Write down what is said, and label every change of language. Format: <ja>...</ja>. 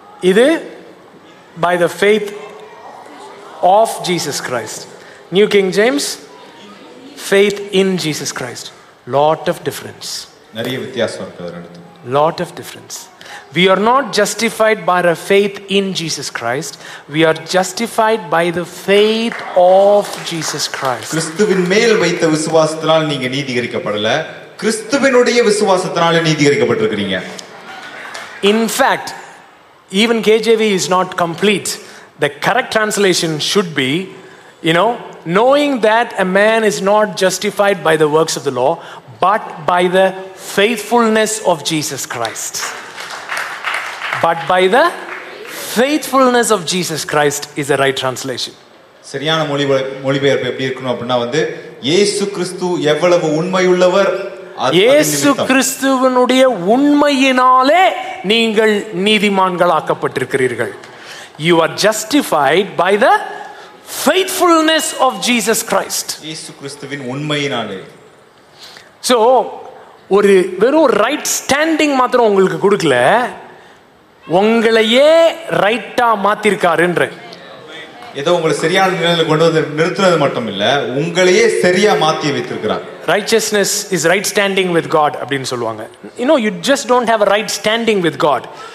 <ta>இது</ta> <en>by the faith of Jesus Christ. New King James? Faith in Jesus Christ. Lot of difference.</en> <ta>நிறைய வித்தியாசம் இருக்கு.</ta> <en>lot of difference. We are not justified by our faith in Jesus Christ. We are justified by the faith of Jesus Christ.</en> <ta>கிறிஸ்துவின் மேல் வைத்த விசுவாசத்தினால் நீங்க நீதிகரிக்கப்படல. கிறிஸ்துவினுடைய விசுவாசத்தினால நீதிகரிக்கப்பட்டிருக்கீங்க.</ta> <en>In fact, even KJV is not complete. The correct translation should be, you know, knowing that a man is not justified by the works of the law, but by the faithfulness of Jesus Christ. But by the faithfulness of Jesus Christ is the right translation.</en> <ta>சரியான மொழிபெயர்ப்பு எப்படி இருக்கணும் அப்படின்னா வந்து இயேசு கிறிஸ்து எவ்வளவு உண்மையுள்ளவர், இயேசு கிறிஸ்துவினுடைய உண்மையினாலே நீங்கள் நீதிமான்களாக்கப்பட்டிருக்கிறீர்கள்.</ta> <en>You are justified by the faithfulness of Jesus Christ.</en> <ta>இயேசு கிறிஸ்துவின் உண்மையினாலே. சோ ஒரு வெறும் ரைட் ஸ்டாண்டிங் மாத்திரம் உங்களுக்கு கொடுக்கல, உங்களையே ரைட்டா மாத்திருக்காருன்ற. ஏதோ உங்களை சரியான நிலையில கொண்டு வந்து நிறுத்துறது மட்டும் இல்ல, உங்களையே சரியா மாத்தி வைத்திருக்கிறார்.</ta> <en>Righteousness is right standing with God</en> <ta>அப்படினு சொல்வாங்க.</ta> <en>You know, you just don't have a right standing with God.</en>